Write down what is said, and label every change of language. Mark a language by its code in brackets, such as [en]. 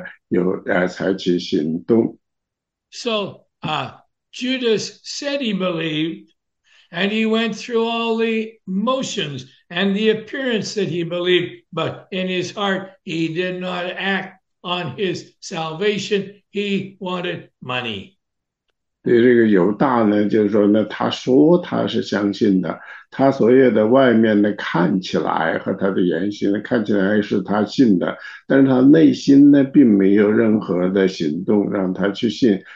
[zh] 你这个里面呢，就是说是啊，你就是说是你是不是信徒，并不是说是基于你说什么，而是基于说你说的事情，你要在上面有采取行动。 [en] So, Judas said he believed, and he went through all the motions and the appearance that he believed, but in his heart, he did not act on his salvation. He wanted money. [zh] 对这个犹大呢，就是说呢，他说他是相信的，他所有的外面呢看起来和他的言行呢看起来是他信的，但是他内心呢并没有任何的行动让他去信。